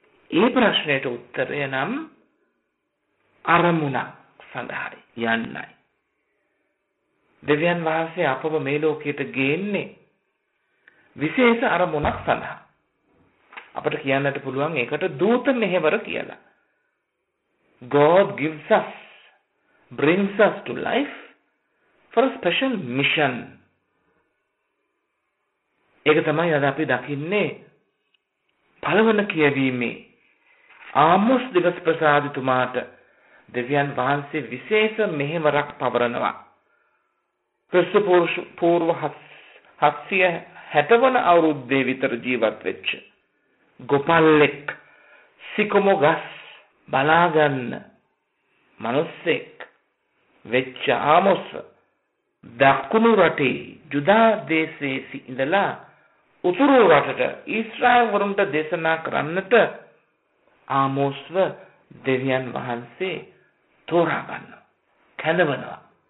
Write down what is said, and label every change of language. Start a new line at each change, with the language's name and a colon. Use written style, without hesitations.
Sinhala: ඒ ප්‍රශ්නයට උත්තරය නම් අරමුණ සඳහායි යන්නයි. දෙවියන් වහන්සේ අපව මේ ලෝකයට ගේන්නේ විශේෂ අරමුණක් සඳහා. අපට කියන්නට පුළුවන් ඒකට දූත මෙහෙවර කියලා.
English: God gives us, brings us to life for a special mission.
Sinhala: ඒක තමයි අද අපි දකින්නේ පළවන කියවීමේ ආමොස් දිවස් ප්‍රසාදතුමාට දෙවියන් වහන්සේ විශේෂ මෙහෙවරක් පවරනවා. ක්‍රිස්තු පූර්ව 760 වන අවුරුද්දේ විතර ජීවත් වෙච්ච ගොපල්ලෙක් සිකොමෝගස් බලාගන්න මනුස්සෙක් වෙච්ච ආමොස් දකුණු රටේ ජුදා දේශයේ ඉඳලා උතුරු රටට ඊශ්‍රායල් වරුන්ට දේශනා කරන්නට ආමොස්ව දෙවියන් වහන්සේ තෝරා ගන්න කැඳවනවා.